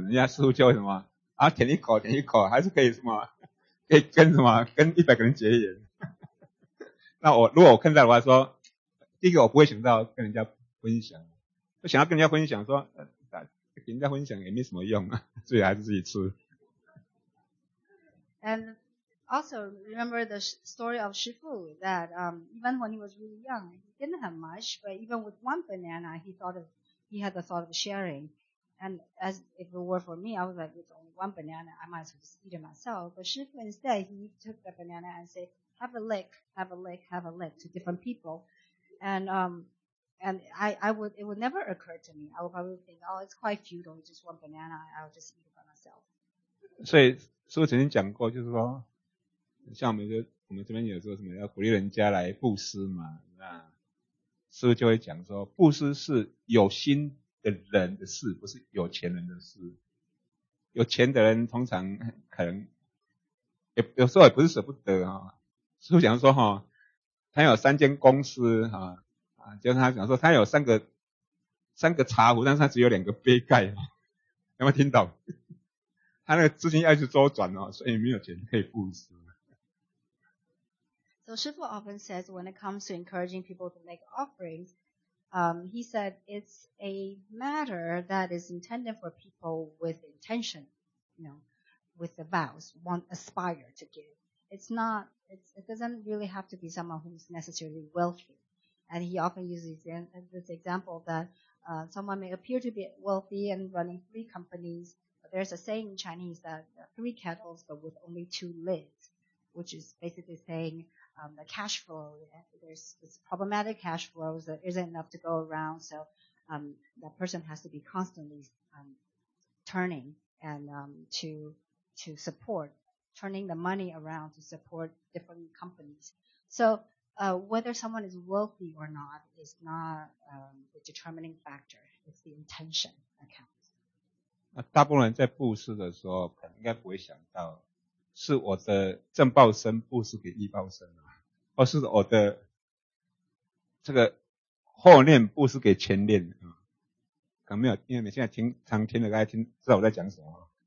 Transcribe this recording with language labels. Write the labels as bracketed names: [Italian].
[Chinese] 人家师父叫什么？啊，舔一口，还是可以什么？可以跟什么？跟100个人结缘。那我如果我看到的话说，第一个我不会想到跟人家分享，我想要跟人家分享说，给人家分享也没什么用，所以还是自己吃。 [English] Also, remember the story of Shifu, that even when he was really young, he didn't have much, but even with one banana, he had the thought of sharing. And as if it were for me, I was like, with only one banana, I might as well just eat it myself. But Shifu instead, he took the banana and said, have a lick to different people. And it would never occur to me. I would probably think, oh, it's quite futile, just one banana, I'll just eat it by myself. [Chinese] 所以师父曾经讲过，就是说像我们这边有说什么要鼓励人家来布施嘛，那师父就会讲说，布施是有心的人的事，不是有钱人的事。有钱的人通常可能有时候也不是舍不得啊。师父讲说哈，他有三间公司哈，就是他讲说他有三个茶壶，但是他只有两个杯盖，有没有听懂？他那个资金要一直周转哦，所以没有钱可以布施。 [English] So Shifu often says when it comes to encouraging people to make offerings, he said it's a matter that is intended for people with intention, you know, with the vows, want aspire to give. It doesn't really have to be someone who's necessarily wealthy. And he often uses this example that someone may appear to be wealthy and running 3 companies, but there's a saying in Chinese that there are 3 kettles but with only 2 lids, which is basically saying, the cash flow, it's problematic cash flows, there isn't enough to go around, so that person has to be constantly turning and to support, turning the money around to support different companies. So whether someone is wealthy or not is not the determining factor, it's the intention that counts. [Chinese] 那大部分人在布施的时候应该不会想到是我的正报身布施给异报身，或是我的这个后念布施给前念，可能没有，因为你们现在听常听的，大家听知道我在讲什么。